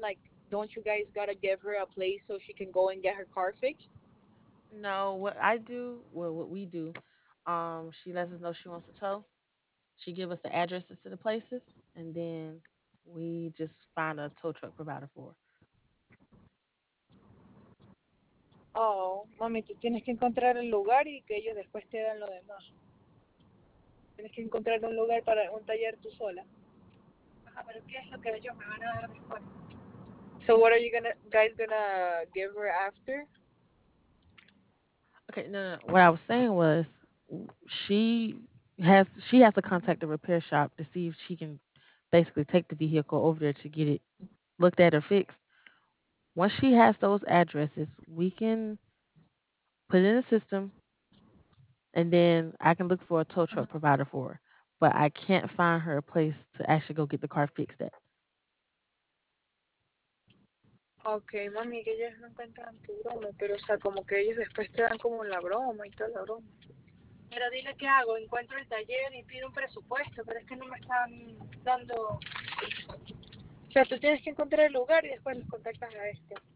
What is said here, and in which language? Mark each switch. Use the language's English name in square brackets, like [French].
[English] Like, don't you guys gotta give her a place so she can go and get her car fixed? No, what I do, well, what we do, she lets us know she wants a tow. She give us the addresses to the places, and then we just find a tow truck provider for her. [Spanish] Oh, mami, tú tienes que encontrar el lugar y que ellos después te dan lo demás. Tienes que encontrar un lugar para un taller tú sola. Ajá, pero ¿qué es lo que ellos me van a dar después? [English] So what are you guys gonna give her after? Okay, no. What I was saying was she has to contact the repair shop to see if she can basically take the vehicle over there to get it looked at or fixed. Once she has those addresses, we can put it in the system, and then I can look for a tow truck provider for her. But I can't find her a place to actually go get the car fixed at. [Spanish] Okay, mami, que ellos no encuentran tu broma, pero o sea, como que ellos después te dan como la broma y toda la broma. Pero dile qué hago, encuentro el taller y pido un presupuesto, pero es que no me están dando. O sea, tú tienes que encontrar el lugar y después los contactas a este.